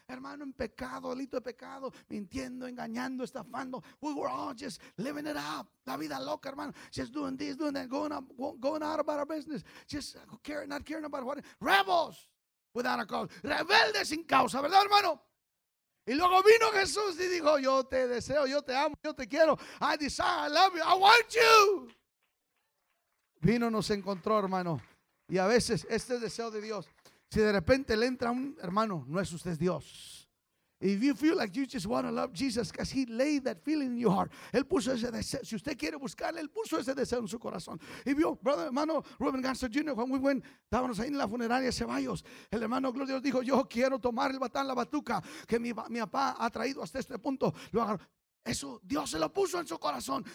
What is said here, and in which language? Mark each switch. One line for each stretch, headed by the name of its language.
Spanish: Hermano, en pecado, delito de pecado, mintiendo, engañando, estafando.
English: We were all just living it up.
Spanish: La vida loca, hermano.
English: Just doing this, doing that, going out about our business. Just not caring about what. Rebels without a cause.
Spanish: Rebeldes sin causa, ¿verdad, hermano? Y luego vino Jesús y dijo, yo te deseo, yo te amo, yo te quiero.
English: I desire, I love you, I want you.
Spanish: Vino, nos encontró, hermano. Y a veces este es deseo de Dios. Si de repente le entra un hermano, no es usted Dios.
English: If you feel like you just want to love Jesus because he laid that feeling in your heart.
Spanish: Él puso ese deseo. Si usted quiere buscarle, él puso ese deseo en su corazón. Y vio, brother, hermano, Ruben Gansett Jr.,
English: when we went,
Spanish: estábamos ahí en la funeraria de Ceballos. El hermano Gloria dijo, yo quiero tomar el batán, la batuca que mi papá ha traído hasta este punto. Lo agarró. Eso Dios se lo puso en su corazón.